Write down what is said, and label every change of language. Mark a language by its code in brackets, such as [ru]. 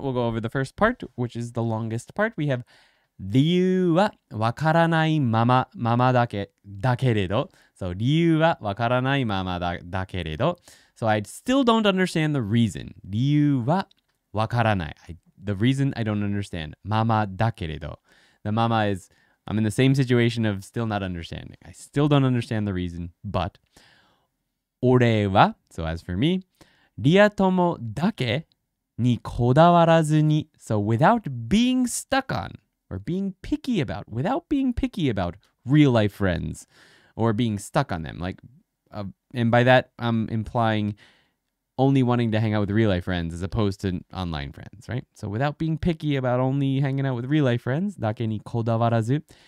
[en] We'll go over the first part, which is the longest part. We have... [ja] 理由はわからないままだけれど [en] So [ja] 理由はわからないままだけれど [en] So I still don't understand the reason [ja] 理由はわからない [en] The reason I don't understand [ja] ままだけれど [en] The mama is I'm in the same situation of still not understanding I still don't understand the reason But [ja] 俺は [en] So as for me [ja] リア友だけにこだわらずに [en] So without being stuck onOr being picky about, without being picky about real life friends or being stuck on them. Like, and by that, I'm implying only wanting to hang out with real life friends as opposed to online friends, right? So without being picky about only hanging out with real life friends, [ja] だけにこだわらず、